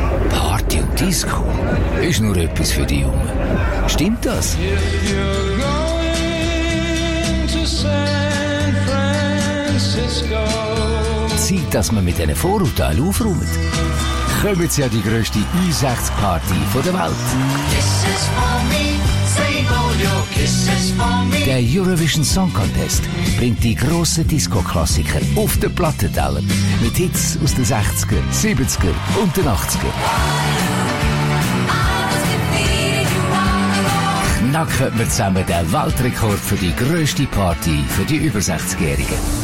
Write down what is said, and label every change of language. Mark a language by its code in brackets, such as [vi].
[de] Party und Disco ist nur etwas für die Jungen. Stimmt das? Zeit, dass man mit diesen Vorurteilen aufräumt. Kommen Sie an die grösste Ü60-Party der Welt. [en] Kisses for me, save all your kisses for me. [de] Der Eurovision Song Contest bringt die grossen Disco-Klassiker auf den Plattenteller mit Hits aus den 60er, 70er und den 80er. Knacken wir zusammen den Weltrekord für die grösste Party für die über 60-Jährigen.